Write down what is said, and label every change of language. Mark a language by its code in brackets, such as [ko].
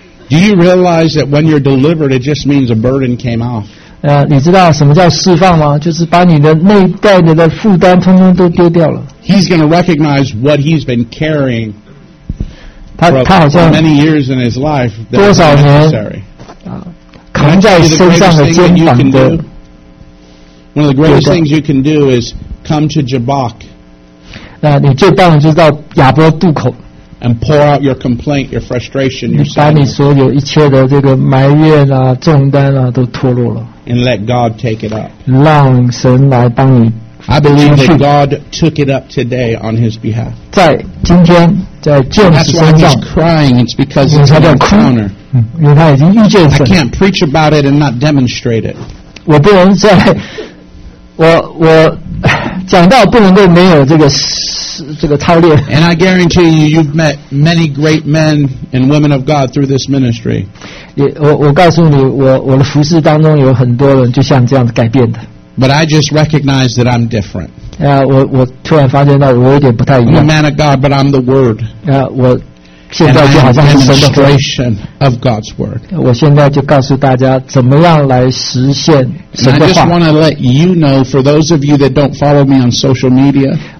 [en] Do you realize that when you're delivered, it just means a burden came off? [zh] 你知道什么叫释放吗？就是把你的内在的负担通通都丢掉了。 [en] He's going to recognize what he's been carrying for many years in his life. [zh] 多少年？扛在身上的肩膀的。 [en] One of the greatest things you can do is come to Jabbok. [zh] 你最棒的就是到亚伯渡口。 [en] And pour out your complaint, your frustration, your sorrow. [zh] 你把你所有一切的这个埋怨啊、重担啊都脱落了。 [en] And let God take it up. [zh] 让神来帮你。 [en] I believe that God took it up today on His behalf. [zh] 在今天，在James身上。 [en] That's why he's crying. It's because it's an encounter. [zh] 因为他已经遇见神。 [en] I can't preach about it and not demonstrate it. [zh] 我不能在，我。讲到不能够没有这个操练。 [en] And I guarantee you, you've met many great men and women of God through this ministry. [zh] 我告诉你，我的服事当中有很多人就像这样改变的。 [en] But I just recognize that I'm different. [zh] 我突然发现到我有点不太一样。 [en] I'm a man of God, but I'm the Word. [zh] 我现在就好像是神的话。 [en] Demonstration of God's Word. [zh] 我现在就告诉大家怎么样来实现神的话。 [en] And I just want to let you know, for those of you that don't follow me on social media,